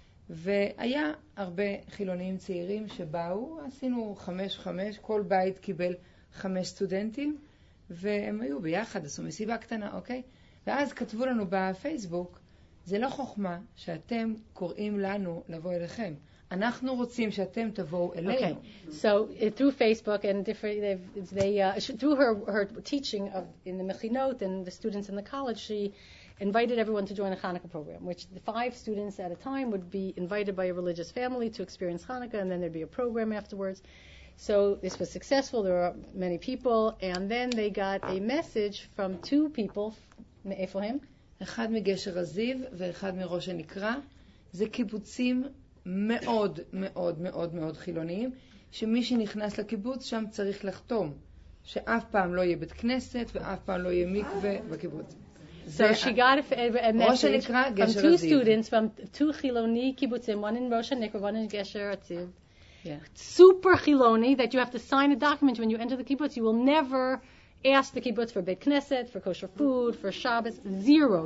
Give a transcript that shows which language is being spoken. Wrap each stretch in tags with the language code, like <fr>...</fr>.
<he>והיה הרבה חילוניים צעירים שבאו, עשינו חמש, כל בית קיבל חמש סטודנטים, והם היו ביחד, עשו מסיבה קטנה, אוקיי? ואז כתבו לנו בפייסבוק, זה לא חוכמה שאתם קוראים לנו לבוא אליכם. אנחנו רוצים שאתם תבואו אלינו.</he> <en>Okay. So through Facebook and different, through her teaching in the Mechinot and the students in the college, she invited everyone to join a Hanukkah program, which the 5 students at a time would be invited by a religious family to experience Hanukkah, and then there'd be a program afterwards. So this was successful. There were many people. And then they got a message from 2 people. Ephraim?</en> <he>אחד מגשר עזיב ואחד מראש הנקרא. זה קיבוצים מאוד מאוד מאוד מאוד חילוניים, שמי שנכנס לקיבוץ שם צריך לחתום, שאף פעם לא יהיה בית כנסת ואף פעם לא יהיה מקווה בקיבוץ.</he> <en>So she got a message from 2 students, from 2</en> <he>חילוני קיבוצים,</he> <en>one in Rosh Hanukkah, one in Gesher Atziv. Super חילוני, that you have to sign a document when you enter the kibbutz. You will never ask the kibbutz for bet knesset, for kosher food, for Shabbos. Zero.</en>